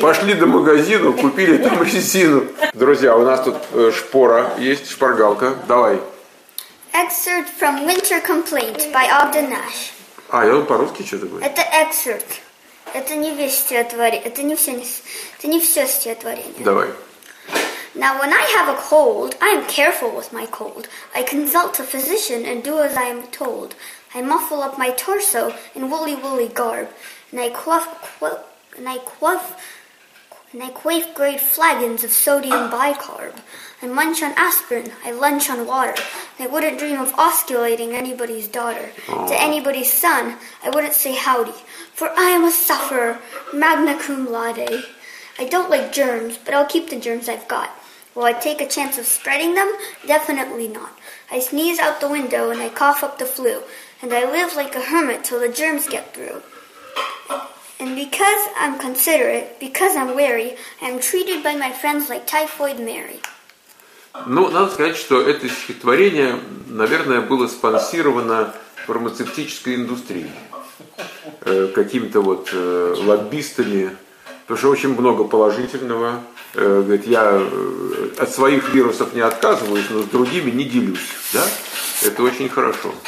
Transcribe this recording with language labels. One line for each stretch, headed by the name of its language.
Russian: Пошли до магазина, купили там резину. Друзья, у нас тут шпора есть, шпаргалка. Давай.
English: Excerpt from Winter Complaint by Ogden Nash.
Russian: А, я вот по-русски что-то говорю. Это excerpt. Это не весь стихотворение. Это не все стихотворение. Давай.
English: Now when I have a cold, I am careful with my cold. I consult a physician and do as I am told. I muffle up my torso in woolly woolly garb. And I quaff great flagons of sodium bicarb. I munch on aspirin, I lunch on water. And I wouldn't dream of osculating anybody's daughter. Aww. To anybody's son, I wouldn't say howdy. For I am a sufferer, magna cum laude. I don't like germs, but I'll keep the germs I've got. Will I take a chance of spreading them? Definitely not. I sneeze out the window and I cough up the flu. And I live like a hermit till the germs get through. And because I'm considerate, because I'm wary, I'm treated by my friends like typhoid Mary.
Russian: Ну, надо сказать, что это стихотворение, наверное, было спонсировано фармацевтической индустрией. Какими-то вот лоббистами. Потому что очень много положительного. Говорит, я от своих вирусов не отказываюсь, но с другими не делюсь. Да? Это очень хорошо.